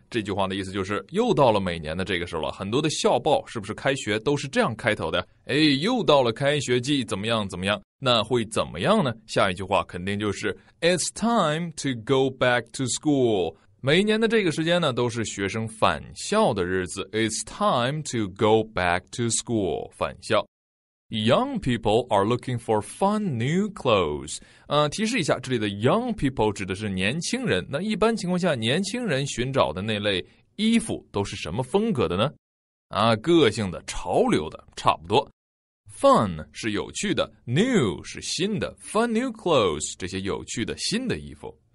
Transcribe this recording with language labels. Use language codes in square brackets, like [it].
[zh] 这句话的意思就是又到了每年的这个时候了。很多的校报是不是开学都是这样开头的？哎，又到了开学季，怎么样怎么样？那会怎么样呢？下一句话肯定就是 [en] It's time to go back to school。 [zh] 每一年的这个时间呢，都是学生返校的日子。 [en] It's time to go back to school. 返校。 Young people are looking for fun new clothes. [zh] 提示一下，这里的 young people 指的是年轻人。那一般情况下，年轻人寻找的那类衣服都是什么风格的呢？个性的、潮流的，差不多。Fun 是有趣的 ，new 是新的 ， [en] fun new clothes [zh] 这些有趣的新的衣服。